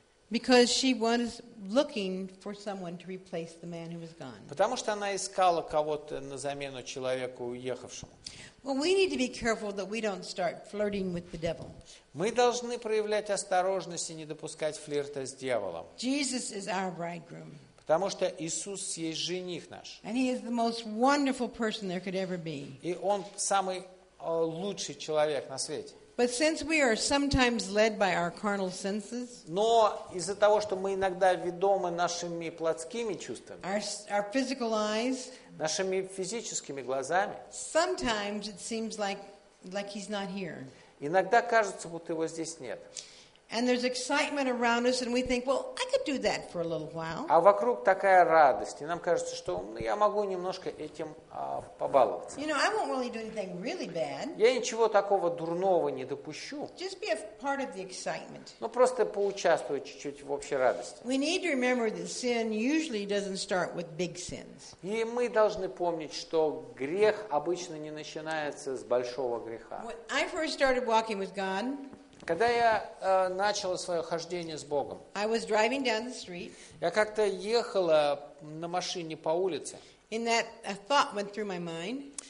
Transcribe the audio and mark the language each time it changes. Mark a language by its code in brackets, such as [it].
[en] Because she was looking for someone to replace the man who was gone. [ru] Потому что она искала кого-то на замену человеку уехавшему. [en] Well, we need to be careful that we don't start flirting with the devil. [ru] Мы должны проявлять осторожность и не допускать флирта с дьяволом. [en] Jesus is our bridegroom. [ru] Потому что Иисус есть жених наш. [en] And he is the most wonderful person there could ever be. [ru] И он самый лучший человек на свете. [en] But since we are sometimes led by our carnal senses, [ru] но из-за того, что мы иногда ведомы нашими плотскими чувствами, [en] our physical eyes, [ru] нашими физическими глазами, [en] sometimes it seems like he's not here. [ru] Иногда кажется, будто его здесь нет. [en] And there's excitement around us, and we think, well, I could do that for a little while. [ru] А вокруг такая радость, и нам кажется, что я могу немножко этим побаловаться. [en] You know, I won't really do anything really bad. [ru] Я ничего такого дурного не допущу. [en] Just be a part of the excitement. [ru] Просто поучаствую чуть-чуть в общей радости. [en] We need to remember that sin usually doesn't start with big sins. [ru] И мы должны помнить, что грех обычно не начинается с большого греха. [en] When I first started walking with God. [ru] Когда я начал свое хождение с Богом, [en] I was driving down the street, [ru] я как-то ехала на машине по улице, [en] and that a thought went through my mind,